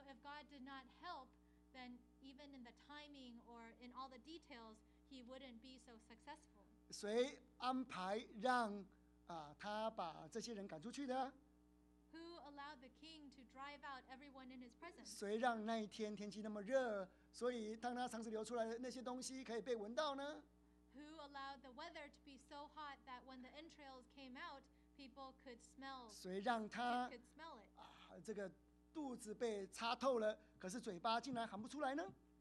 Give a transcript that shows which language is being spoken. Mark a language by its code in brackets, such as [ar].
[en] if God did not help, then even in the timing or in all the details, he wouldn't be so successful. [zh] 谁安排让他把这些人赶出去的？ [en] Who allowed the king to drive out everyone in his presence? [zh] 谁让那一天天气那么热？所以，当他肠子流出来的那些东西可以被闻到呢 [en] ？Who allowed the weather to be so hot that when the entrails came out, people could smell? [zh] 谁让他啊这个肚子被插透了，可是嘴巴竟然喊不出来呢